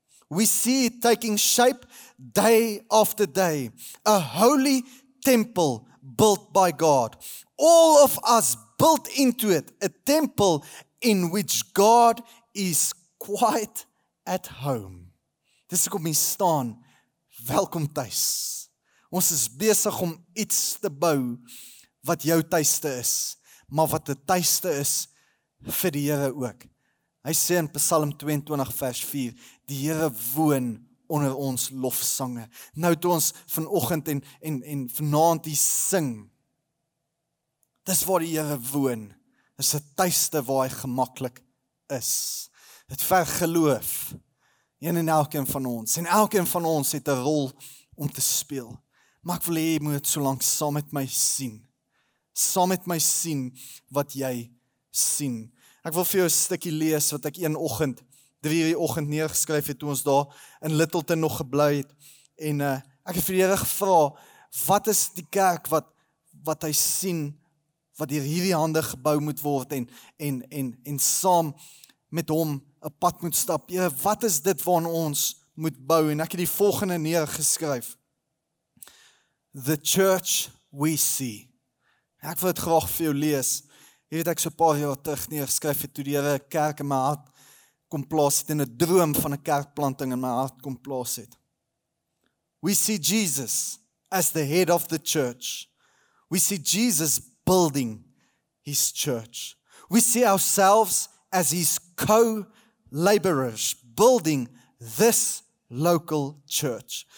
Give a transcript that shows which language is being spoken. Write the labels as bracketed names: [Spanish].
[English] We see it taking shape day after day. A holy temple built by God. All of us built into it. A temple in which God is quite at home. [Afrikaans] Dis ek om hier staan. Welkom thuis. Ons is besig om iets te bou wat jou tuiste is. Maar wat die tuiste is vir die Here ook. Hy sê in Psalm 22 vers 4, die Here woon onder ons lofsange. Nou toe ons vanoggend en vanaand hier sing, dis waar die Here woon, is 'n tuiste waar hy gemaklik is. Het ver geloof, een en elkeen van ons, en elkeen van ons het 'n rol om te speel. Maar ek wil hê, jy moet so lank saam met my sien. Saam met my sien wat jy sien. Ek wil vir jou 'n stukkie lees wat ek een oggend, 3:00 neergeskryf het toe ons daar in Littleton nog gebly het. En ek het vir die Here gevra, wat is die kerk wat hy sien, wat deur hierdie hande gebou moet word en saam met hom 'n pad moet stap. Here, wat is dit waarna ons moet bou? En ek het die volgende neergeskryf. [English] The church we see. [Afrikaans] Ek wil dit graag vir jou lees. Hier het ek so paar jaar terug neergeskryf het toe die Here kerk in my hart kom plaas het en 'n droom van 'n kerkplanting in my hart kom plaas het. [English] We see Jesus as the head of the church. We see Jesus building his church. We see ourselves as his co-laborers building this local church.